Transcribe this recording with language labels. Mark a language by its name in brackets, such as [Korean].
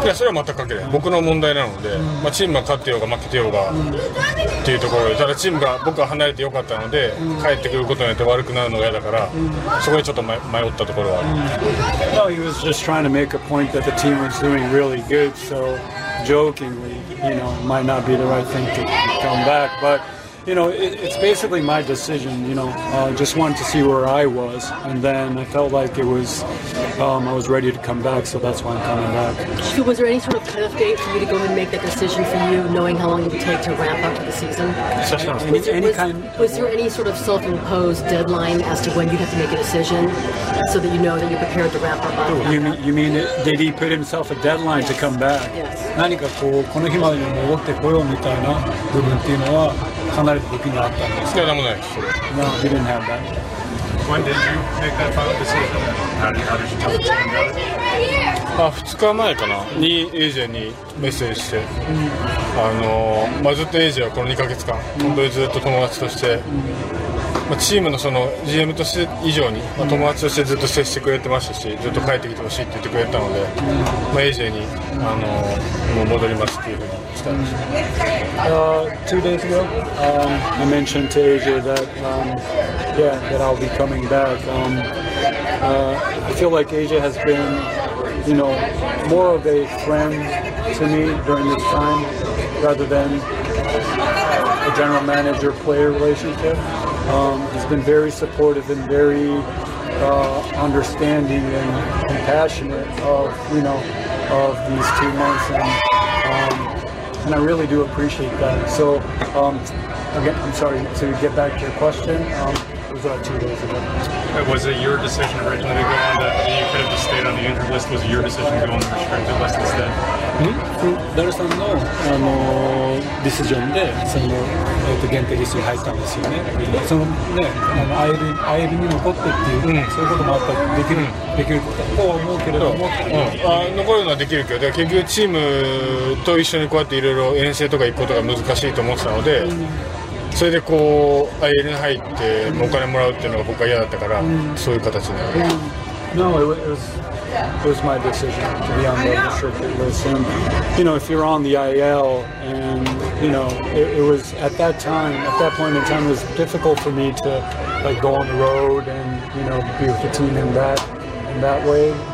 [Japanese] です。いや、それは全く関係ない、僕の問題なので、うん、まあ、チームが勝ってようが負けてようが、うん、っていうところで、ただチームが僕は離れてよかったので、うん、帰ってくることによって悪くなるのが嫌だから、うん、そこでちょっと迷ったところはある、 [English] うん、No, he was just trying to make a point that the team was doing really good, so jokingly, you know, might not be the right thing to come back, but you know, it's basically my decision, you know. Just wanted to see where I was, and then I felt like it was, I was ready to come back, so that's why I'm coming back. Was there any sort of cutoff date for you to go and make that decision for you, knowing how long it would take to ramp up to the season? Was there any sort of self-imposed deadline as to when you'd have to make a decision so that you know that you're prepared to ramp up? You mean, did he put himself a deadline to come back? Yes. [Japanese] 何かこうこの日までに戻ってこようみたいな部分っていうのは離れた時にあったんですか？いや、でもないです [English] 。 No, we didn't have that. When did you make that final decision? How did you tell them? [Japanese] 2日前かな、にエイジェにメッセージして、まあ、ずっとエイジェはこの2ヶ月間、本当にずっと友達として、まあ、チームのその GM として以上に、まあ、友達としてずっと接してくれてましたし、ずっと帰ってきてほしいって言ってくれたので、まあ、AJ に、もう戻りますっていうふうに伝えました。 [English] 2 days ago, I mentioned to AJ that, that I'll be coming back. I feel like AJ has been, you know, more of a friend to me during this time rather than a general manager player relationship. He's been very supportive and very understanding and compassionate of, you know, of these 2 months, and I really do appreciate that. So, again, I'm sorry to get back to your question. It was about 2 days ago. Was it your decision originally to go on that? You could have just stayed on the injured list. Was it your decision to go on the restricted list instead? [Japanese] ダルさんの、ディシジョンでその、限定リストに入ったんですよね。そのね、IL に残ってっていう、うん、そういうこともあったらできるとは思うけれども、うん、残るのはできるけど、結局チームと一緒にこうやっていろいろ遠征とか行くことが難しいと思ってたので、それでこう IL に入ってお金もらうっていうのが僕は嫌だったから、うん、そういう形になる。 [English] It was my decision to be on the restricted list. And, you know, if you're on the IL, and, you know, it was at that time, at that point in time, it was difficult for me to, like, go on the road and, you know, be with the team in that way.